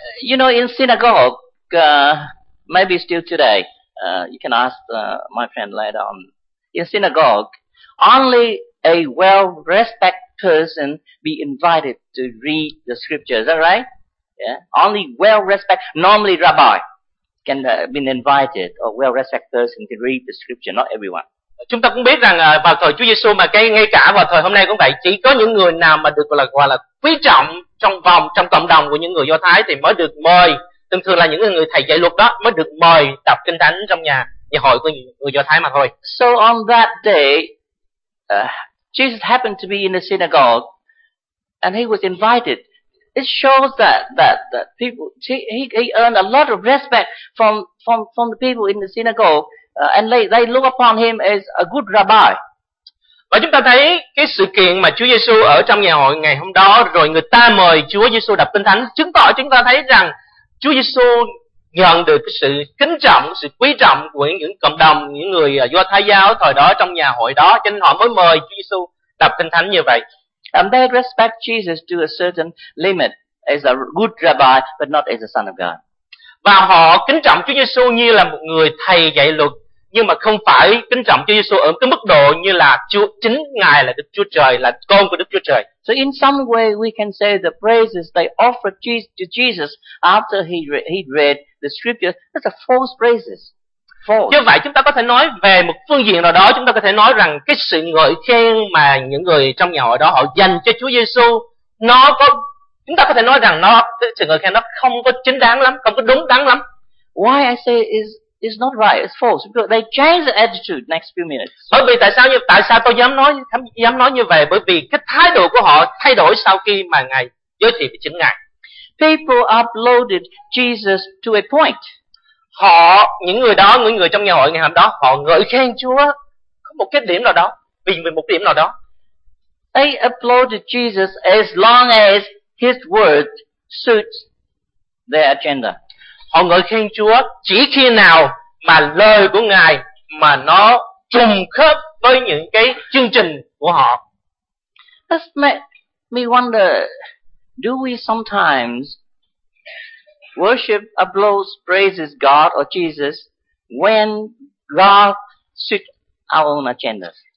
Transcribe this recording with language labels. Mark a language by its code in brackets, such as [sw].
[en] You know, in synagogue, maybe still today, you can ask my friend later on. In synagogue, only a well-respected person be invited to read the scriptures, is that right? Yeah. Only well-respected, normally rabbi can been invited or well-respected person to read the scripture, not everyone. [vi] Chúng ta cũng biết rằng vào thời Chúa Giêsu mà ngay cả vào thời hôm nay cũng vậy, chỉ có những người nào mà được gọi là quý trọng trong cộng đồng của những người Do Thái thì mới được mời, thường thường là những người thầy dạy luật đó mới được mời đọc Kinh Thánh trong nhà hội của người Do Thái mà thôi. [en] So on that day, Jesus happened to be in the synagogue and he was invited. It shows that people he earned a lot of respect from the people in the synagogue. And they look upon him as a good rabbi. [vi] Và chúng ta thấy cái sự kiện mà Chúa Giêsu ở trong nhà hội ngày hôm đó, rồi người ta mời Chúa Giêsu đọc Kinh Thánh, chứng tỏ chúng ta thấy rằng Chúa Giêsu nhận được cái sự kính trọng, sự quý trọng của những cộng đồng, những người Do Thái giáo thời đó trong nhà hội đó, cho nên họ mới mời Chúa Giêsu đọc Kinh Thánh như vậy. [en] And they respect Jesus to a certain limit as a good rabbi, but not as a son of God. [vi] Và họ kính trọng Chúa Giêsu như là một người thầy dạy luật, nhưng mà không phải kính trọng Chúa Giêsu ở cái mức độ như là Chúa, chính Ngài là Đức Chúa Trời, là con của Đức Chúa Trời. [en] So in some way we can say the praises they offered to Jesus after he read the scriptures, that's a false praises. False. [vi] Như vậy chúng ta có thể nói về một phương diện nào đó, chúng ta có thể nói rằng cái sự ngợi khen mà những người trong nhà hội đó họ dành cho Chúa Giêsu, nó có, chúng ta có thể nói rằng nó, cái sự ngợi khen nó không có chính đáng lắm, không có đúng đắn lắm. [en] Why I say is not right, it's false, because they change the attitude next few minutes. [vi] Bởi vì tại sao tôi dám nói như vậy, bởi vì cái thái độ của họ thay đổi sau khi mà Ngài giới thiệu với chính Ngài. [en] People uploaded Jesus to a point. [vi] Họ, những người đó, những người trong nhà hội ngày hôm đó, họ ngợi khen Chúa có một cái điểm nào đó, vì một điểm nào đó. [en] They uploaded Jesus as long as his word suits their agenda. [vi] Họ ngợi khen Chúa chỉ khi nào mà lời của Ngài mà nó trùng khớp với những cái chương trình của họ. [en] This makes me wonder, do we sometimes worship, applause, praises God or Jesus when God suits our own agenda?